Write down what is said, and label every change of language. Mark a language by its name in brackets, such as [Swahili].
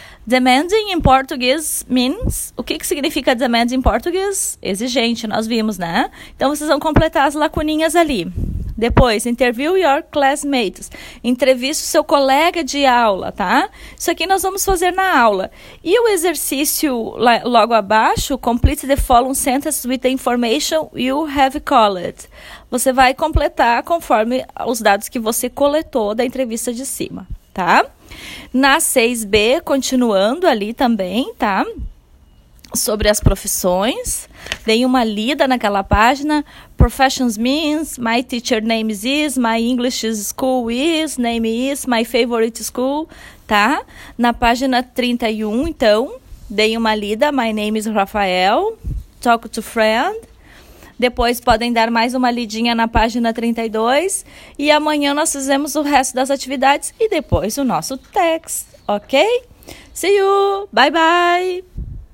[English] Demanding in português means... [Portuguese] O que, que significa demanding em português? Exigente, nós vimos, né? Então, vocês vão completar as lacuninhas ali. Depois, [English] interview your classmates. [Portuguese] Entreviste seu colega de aula, tá? Isso aqui nós vamos fazer na aula. E o exercício logo abaixo, [English] complete the following sentence with the information you have collected. [Portuguese] Você vai completar conforme os dados que você coletou da entrevista de cima, tá? Na 6B, continuando ali também, tá? Sobre as profissões, dei uma lida naquela página. [English] Professions means, my teacher name is, my English school is, name is, my favorite school, tá? [Portuguese] Na página 31, então, dei uma lida. [English] My name is Rafael, talk to friend. [Portuguese] Depois podem dar mais uma lidinha na página 32. E amanhã nós fizemos o resto das atividades e depois o nosso text, ok? [English] See you! Bye, bye!